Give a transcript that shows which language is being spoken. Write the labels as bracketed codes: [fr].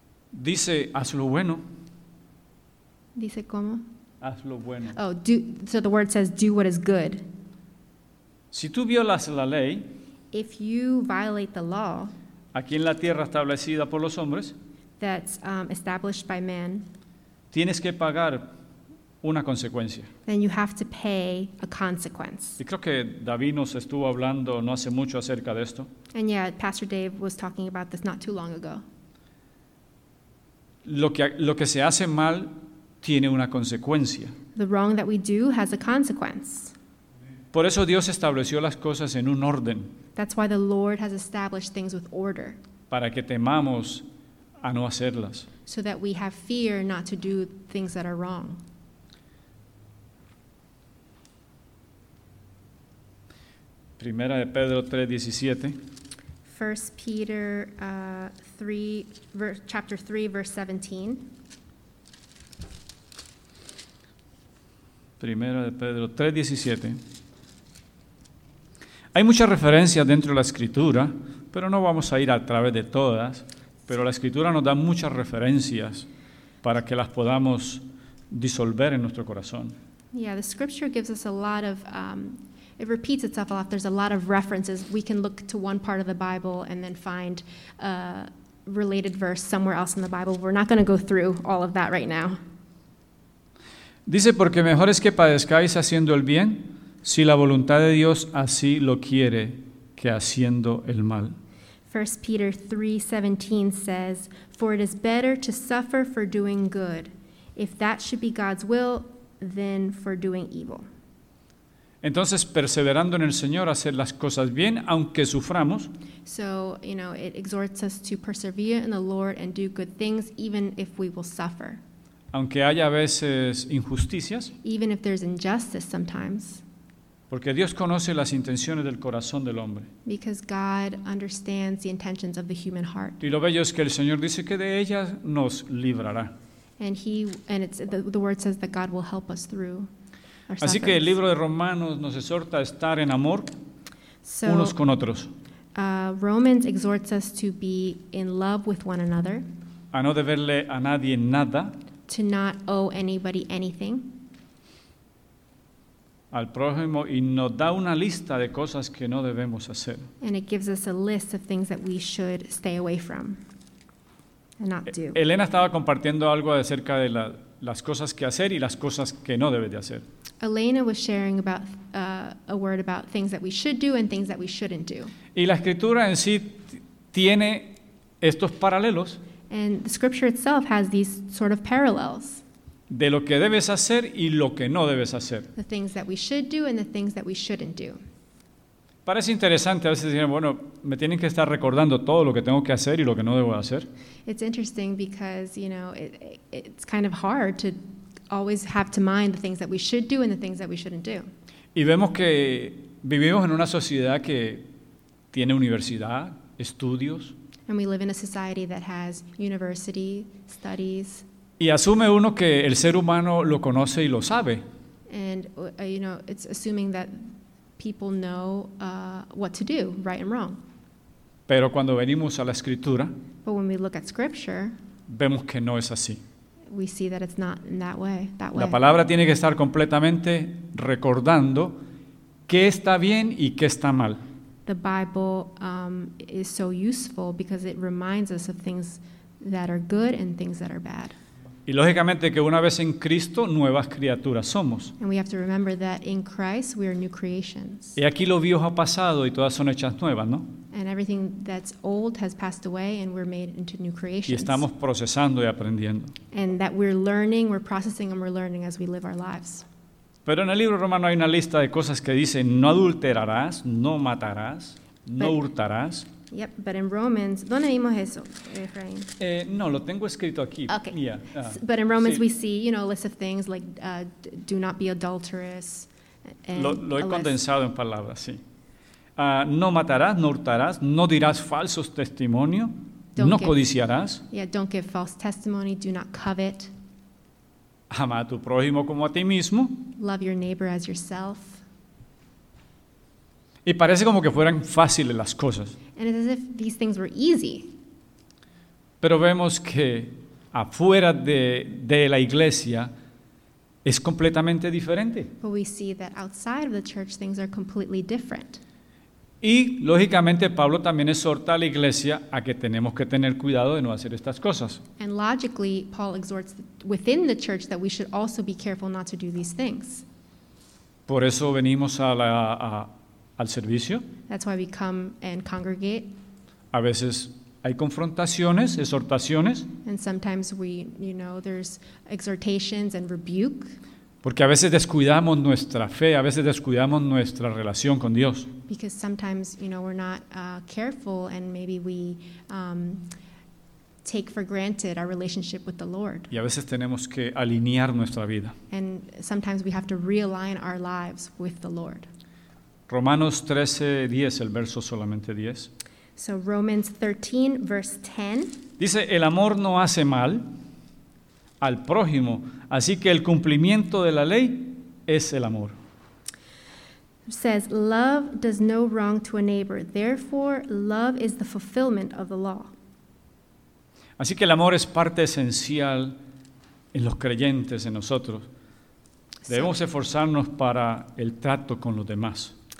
[es] Dice, haz lo bueno. ¿Dice cómo? Haz lo bueno. [en] Oh, so the word says, do what is good. [es] Si tú violas la ley, [en] if you violate the law, [es] aquí en la tierra establecida por los hombres, [en] that's established by man, [es] tienes que pagar una consecuencia. [en] Then you have to pay a consequence. [es] Y creo que David nos estuvo hablando no hace mucho acerca de esto. [en] And yeah, Pastor Dave was talking about this not too long ago. [es] Lo que se hace mal tiene una consecuencia. [en] The wrong that we do has a consequence. [es] Por eso Dios estableció las cosas en un orden. [en] That's why the Lord has established things with order. [es] Para que temamos a no hacerlas. [en] So that we have fear not to do things that are wrong. [es] Primera de Pedro 3:17. [en] First Peter 3:17. [es] Primera de Pedro 3:17. Hay muchas referencias dentro de la Escritura, pero no vamos a ir a través de todas, pero la Escritura nos da muchas referencias para que las podamos disolver en nuestro corazón. [en] Yeah, the Scripture gives us a lot of, it repeats itself a lot, there's a lot of references. We can look to one part of the Bible and then find a related verse somewhere else in the Bible. We're not going to go through all of that right now. [es] Dice, porque mejor es que padezcáis haciendo el bien, si la voluntad de Dios así lo quiere, que haciendo el mal. [en] 1 Peter 3:17 says, for it is better to suffer for doing good, if that should be God's will, than for doing evil. [es] Entonces, perseverando en el Señor, hacer las cosas bien, aunque suframos. [en] So, you know, it exhorts us to persevere in the Lord and do good things, even if we will suffer. [es] aunque haya a veces injusticias, [en] even if there's injustice sometimes, [es] porque Dios conoce las intenciones del corazón del hombre. [en] Because God understands the intentions of the human heart. [es] Y lo bello es que el Señor dice que de ellas nos librará. [en] And the word says that God will help us through our sufferings. [es] Así que el libro de Romanos nos exhorta a estar en amor unos con otros. [en] Romans exhorts us to be in love with one another. [es] A no deberle a nadie nada. [en] To not owe anybody anything. [es] Al prójimo y nos da una lista de cosas que no debemos hacer. [en] And it gives us a list of things that we should stay away from and not do. [es] Elena estaba compartiendo algo acerca de las cosas que hacer y las cosas que no debes de hacer. [en] Elena was sharing about a word about things that we should do and things that we shouldn't do. [es] Y la escritura en sí tiene estos paralelos. [en] And the scripture itself has these sort of parallels. [es] De lo que debes hacer y lo que no debes hacer. [en] The things that we should do and the things that we shouldn't do. [es] Parece interesante, a veces dicen, bueno, me tienen que estar recordando todo lo que tengo que hacer y lo que no debo hacer. [en] It's interesting because, you know, it's kind of hard to always have to mind the things that we should do and the things that we shouldn't do. [es] Y vemos que vivimos en una sociedad que tiene universidad, estudios. [en] And we live in a society that has university studies. [es] Y asume uno que el ser humano lo conoce y lo sabe. [en] And, you know, it's assuming that people know what to do, right and wrong. [es] Pero cuando venimos a la escritura, [en] but when we look at scripture, [es] vemos que no es así. [en] We see that it's not in that way. That [es] la palabra tiene que estar completamente recordando qué está bien y qué está mal. [en] The Bible is so useful because it reminds us of things that are good and things that are bad. [es] Y lógicamente que una vez en Cristo, nuevas criaturas somos. [en] And we have to remember that in Christ, we are new creations. [es] Y aquí lo viejo ha pasado y todas son hechas nuevas, ¿no? [en] And everything that's old has passed away and we're made into new creations. [es] Y estamos procesando y aprendiendo. [en] And that we're learning, we're processing and we're learning as we live our lives. [es] Pero en el libro romano hay una lista de cosas que dice, no adulterarás, no matarás, no hurtarás. [en] Yep, but in Romans, [es] ¿dónde vimos eso, [en] Efraín? [es] No, lo tengo escrito aquí. [en] Okay. Yeah. But in Romans sí. We see, you know, a list of things like do not be adulterous. [es] Lo he condensado en palabras, sí. No matarás, no hurtarás, no dirás falsos testimonio, no codiciarás. [en] Yeah, don't give false testimony, do not covet. [es] Ama a tu prójimo como a ti mismo. [en] Love your neighbor as yourself. [es] Y parece como que fueran fáciles las cosas. [en] And it's as if these things were easy. [es] Pero vemos que afuera de la iglesia es completamente diferente. [en] But we see that outside of the church things are completely different. [es] Y lógicamente Pablo también exhorta a la iglesia a que tenemos que tener cuidado de no hacer estas cosas. [en] And logically Paul exhorts within the church that we should also be careful not to do these things. [es] Por eso venimos al servicio. [en] That's why we come and congregate. [es] A veces hay confrontaciones, exhortaciones. [en] And sometimes we, you know, there's exhortations and rebuke. [es] Porque a veces descuidamos nuestra fe, a veces descuidamos nuestra relación con Dios. [en] Because sometimes, you know, we're not careful and maybe we take for granted our relationship with the Lord. [es] Y a veces tenemos que alinear nuestra vida. [en] And sometimes we have to realign our lives with the Lord. [es] Romanos 13:10, el verso solamente 10. [en] So Romans 13, verse 10. [es] Dice, el amor no hace mal al prójimo, así que el cumplimiento de la ley es el amor. [en] It says, love does no wrong to a neighbor, therefore love is the fulfillment of the law. [es] Así que el amor es parte esencial en los creyentes, en nosotros. Debemos esforzarnos para el trato con los demás.